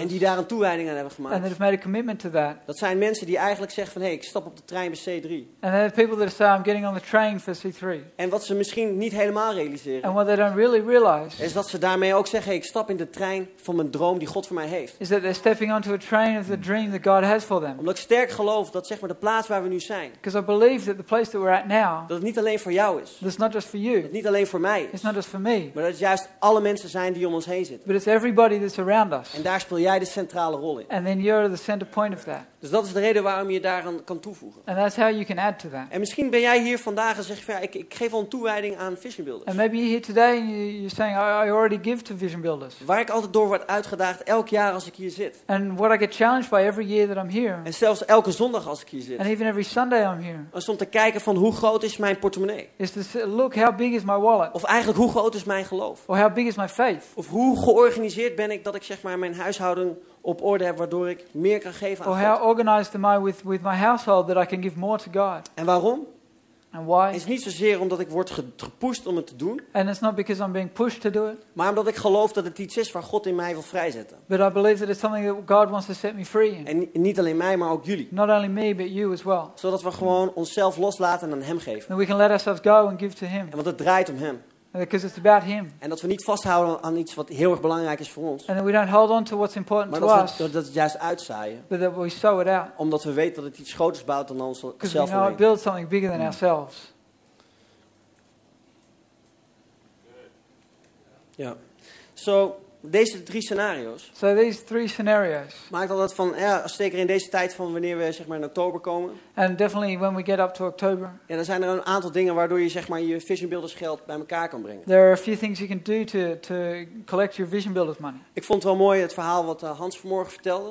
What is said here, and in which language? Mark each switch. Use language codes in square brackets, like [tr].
[nl] En die daar een toewijding aan hebben gemaakt. [en] And they've made a commitment to that. [nl] Dat zijn mensen die eigenlijk zeggen van, hey, ik stap op de trein bij C3. [en] And they're people that say, I'm getting on the train for C3. [nl] En wat ze misschien niet helemaal realiseren. [en] And what they don't really realize. [nl] Is dat ze daarmee ook zeggen, hey, ik stap in de trein van mijn droom die God voor mij heeft. [en] Is that they're stepping onto a train of the dream that God has for them. [nl] Omdat ik sterk geloof dat zeg maar de plaats waar we nu zijn. [en] Because I believe that the place that we're at now. [nl] Dat het niet alleen voor jou is. [en] That it's not just for you. [nl] Dat het niet alleen voor mij is. [en] Not just for me. [nl] Maar dat het juist alle mensen zijn die om ons heen zitten. [en] But it's everybody that's around us. [nl] En daar speel jij de centrale rol in. [en] And then you're the center point of that. [nl] Dus dat is de reden waarom je daaraan kan toevoegen. [en] And that's how you can add to that. [nl] En misschien ben jij hier vandaag en zeg je van, ja, ik geef al een toewijding aan Vision Builders. [en] And maybe you're here today and you're saying I already give to Vision Builders. [nl] Waar ik altijd door word uitgedaagd elk jaar als ik hier zit. [en] And what I get challenged by every year that I'm here. [nl] En zelfs elke zondag als ik hier zit. [en] And even every Sunday I'm here. [nl] Om te kijken van hoe groot is mijn portemonnee. [en] Is to look how big is my wallet. [nl] Of eigenlijk hoe groot is mijn geloof. [en] Or how big is my faith. [nl] Of hoe georganiseerd ben ik dat ik zeg maar mijn huishouding op orde heb waardoor ik meer kan geven aan God. [en] How organized am I with my household that I can give more to God? [nl] En waarom? [en] And why? [nl] Het is niet zozeer omdat ik word gepusht om het te doen. [en] And it's not because I'm being pushed to do it. [nl] Maar omdat ik geloof dat het iets is waar God in mij wil vrijzetten. [en] But I believe that it's something that God wants to set me free in. [nl] En niet alleen mij, maar ook jullie. [en] Not only me, but you as well. [nl] Zodat we gewoon onszelf loslaten en aan Hem geven. [en] And we can let ourselves go and give to Him. [nl] En want het draait om Hem. [en] Because it's about Him. [nl] En dat we niet vasthouden aan iets wat heel erg belangrijk is voor ons. [en] And we don't hold on to what's important to us. [nl] Maar dat we dat juist uitzaaien. [en] But that we sow it out. [nl] Omdat we weten dat het iets groters bouwt dan onszelf. [en] Because we know it builds something bigger than ourselves. [nl] Ja. So deze drie scenario's. [en] So these three scenarios. [nl] Maakt altijd van, ja, zeker in deze tijd van wanneer we zeg maar in oktober komen. [en] And definitely when we get up to October. [nl] Ja, dan zijn er een aantal dingen waardoor je zeg maar je Vision Builders geld bij elkaar kan brengen. [en] There are a few things you can do to collect your Vision Builders money. [nl] Ik vond het wel mooi het verhaal wat Hans vanmorgen vertelde.